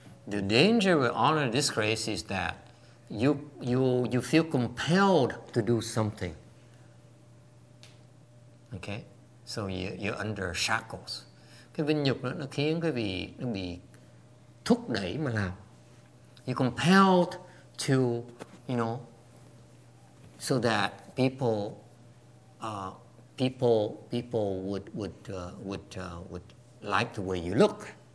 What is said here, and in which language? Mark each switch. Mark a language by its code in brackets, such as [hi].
[en] The danger with honor and disgrace is that you feel compelled to do something. Okay? So you're under shackles. [vi] Cái vinh nhục đó, nó khiến quý vị nó bị thúc đẩy mà làm. [en] You're compelled to, you know, so that people would like the way you look.